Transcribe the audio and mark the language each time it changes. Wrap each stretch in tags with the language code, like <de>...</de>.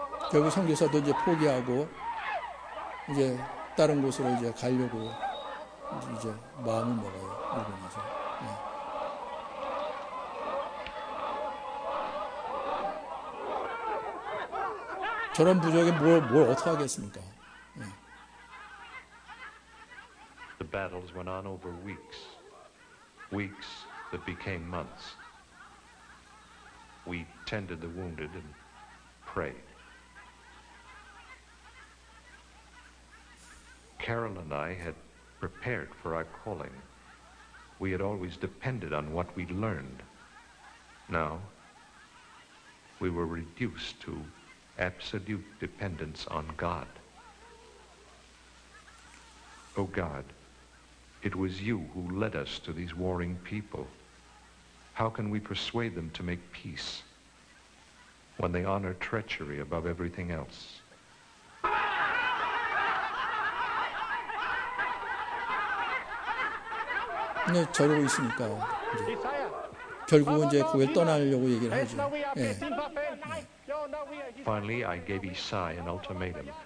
<ko>결국 선교사도 이제 포기하고 이제 다른 곳으로 이제 가려고 이제 마음을 먹어요. 이러면서. 네. 저런 부족에 뭘 어떻게 하겠습니까? 예.</ko> <en>The battles went on over weeks. Weeks that became months. We tended the wounded and prayed. Carol and I had prepared for our calling. We had always depended on what we'd learned. Now, we were reduced to absolute dependence on God. Oh God, it was you who led us to these warring people. How can we persuade them to make peace when they honor treachery above everything else?</en> <ko>저러고 있으니까 이제 결국은 이제 그걸 떠나려고 얘기를 하죠. 예.</ko> <en>Finally, I gave Isai an ultimatum.</en>